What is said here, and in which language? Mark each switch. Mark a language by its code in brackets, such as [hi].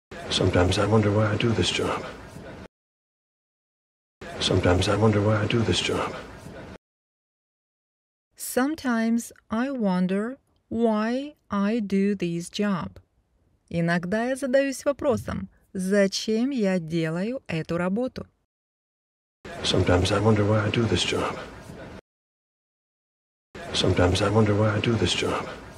[en] Sometimes I wonder why I do this job. Sometimes I wonder why I do this job. Sometimes I wonder why I do this job. [ru] Иногда я задаюсь вопросом, зачем я делаю эту работу? [en] Sometimes I wonder why I do this job. Sometimes I wonder why I do this job.